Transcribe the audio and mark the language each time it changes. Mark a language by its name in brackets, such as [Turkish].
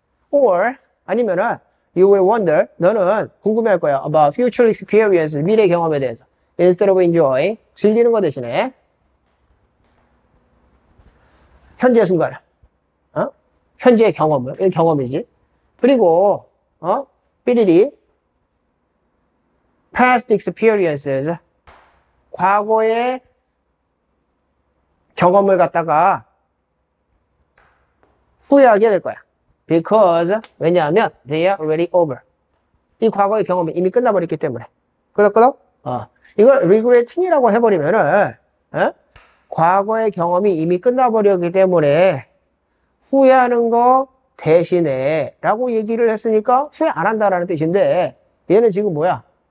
[English] or [Korean] 아니면은 [English] you will wonder [Korean] 너는 궁금해할 거야 [English] about future experience [Korean] 미래 경험에 대해서 [English] instead of enjoy [Korean] 즐기는 거 대신에 현재 순간을 현재의 경험을 경험이지 그리고 삐리리 [English] past experiences [Korean] 과거의 경험을 갖다가 후회하게 될 거야. [English] Because, [Korean] 왜냐하면, [English] they are already over. [Korean] 이 과거의 경험이 이미 끝나버렸기 때문에. 끄덕끄덕? 이걸 regretting이라고 해버리면은, 과거의 경험이 이미 끝나버렸기 때문에, 후회하는 거 대신에, 라고 얘기를 했으니까, 후회 안 한다라는 뜻인데, 얘는 지금 뭐야?